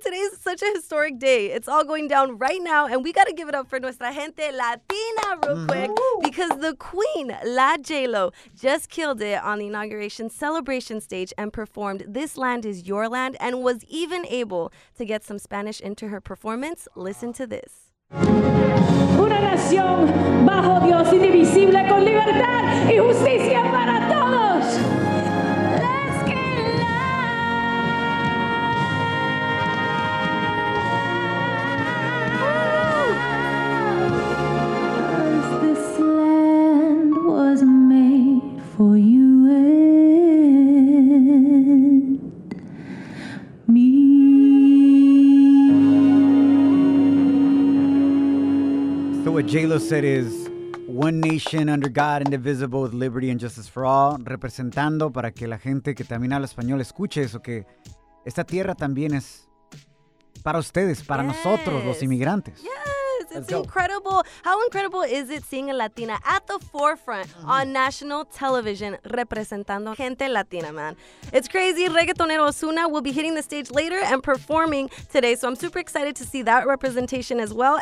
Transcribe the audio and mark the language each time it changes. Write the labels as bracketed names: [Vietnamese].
[English] Today is such a historic day. It's all going down right now. And we got to give it up for [Spanish] nuestra gente Latina [English] real quick because the queen, La J-Lo, just killed it on the inauguration celebration stage and performed This Land Is Your Land and was even able to get some Spanish into her performance. Listen to this. [Spanish] Una nación bajo Dios indivisible con libertad y justicia para todos. [English] Let's get loud. This land was made for you. And me. Carlos said is one nation under God, indivisible, with liberty and justice for all. [Spanish] Representando para que la gente que también habla español escuche eso, que esta tierra también es para ustedes, para [English] yes. [Spanish] nosotros, los inmigrantes. [English] Yes, it's incredible. How incredible is it seeing a Latina at the forefront on national television [Spanish] representando gente Latina, [English] man? It's crazy. Reggaetonero Ozuna will be hitting the stage later and performing today, so I'm super excited to see that representation as well.